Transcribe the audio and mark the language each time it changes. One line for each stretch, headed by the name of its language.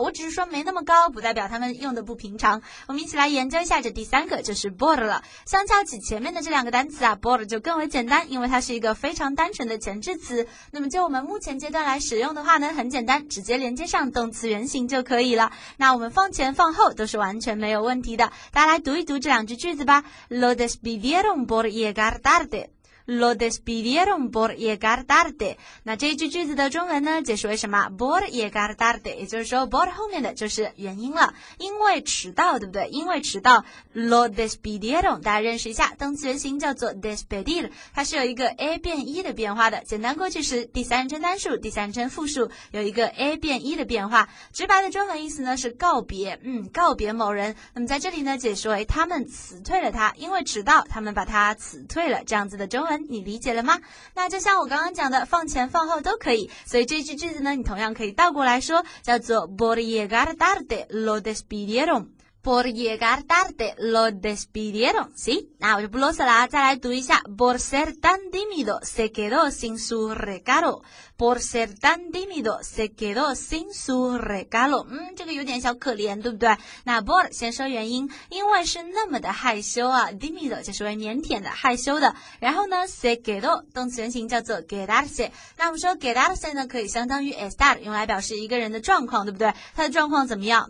Chinese: 我只是说没那么高，不代表他们用的不平常。我们一起来研究一下这第三个，就是 por 了。相较起前面的这两个单词啊， por 就更为简单，因为它是一个非常单纯的前置词。那么就我们目前阶段来使用的话呢，很简单，直接连接上动词原形就可以了。那我们放前放后都是完全没有问题的。大家来读一读这两句句子吧。
Spanish: Lo despidieron por llegar tarde。 Lo despidieron por llegar tarde。
Chinese: 那这一句句子的中文呢，解释为什么 por llegar tarde，也就是说 por 后面的就是原因了，因为迟到，对不对？因为迟到。 Lo despidieron，大家认识一下，动词原形叫做 despedir， 它是有一个 a 变 e 的变化的，简单过去时，第三人称单数，第三人称复数，有一个 a 变 e 的变化。直白的中文意思呢是告别，告别某人。那么在这里呢，解释为他们辞退了他，因为迟到他们把他辞退了，这样子的中文你理解了吗？那就像我刚刚讲的，放前放后都可以，所以这句句子呢，你同样可以倒过来说，叫做 por llegar tarde lo despidieron。
Spanish: Por llegar tarde lo despidieron， ¿sí?
Chinese: 那我就不啰嗦了啊，再来读一下。
Spanish: Por ser tan tímido se quedó sin su regalo。 Por ser tan tímido se quedó sin su regalo。
Chinese: 这个有点小可怜，对不对？那 por 先说原因，因为是那么的害羞啊 ，tímido 就是为腼腆的、害羞的。然后呢 ，se quedó 动词原形叫做 quedarse。那我们说 quedarse 呢，可以相当于 estar， 用来表示一个人的状况，对不对？他的状况怎么样？